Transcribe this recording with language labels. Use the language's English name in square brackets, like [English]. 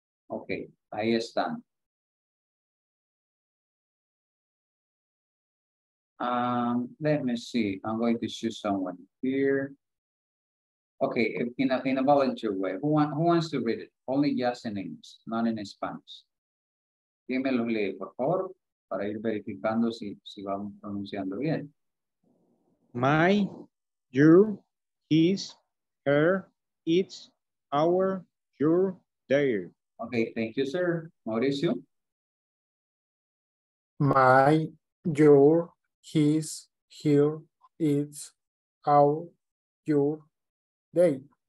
[Spanish] Okay, ahí están. [English] Let me see, I'm going to choose someone here. Okay, in a volunteer way, who wants to read it? Only just in English, not in Spanish. [Spanish] Dímelo, lee, por favor, para ir verificando si vamos pronunciando bien. [English] My, your, his, her, its, our, your, their. Okay, thank you, sir. Mauricio. My, your, his, her, its, our, your, they.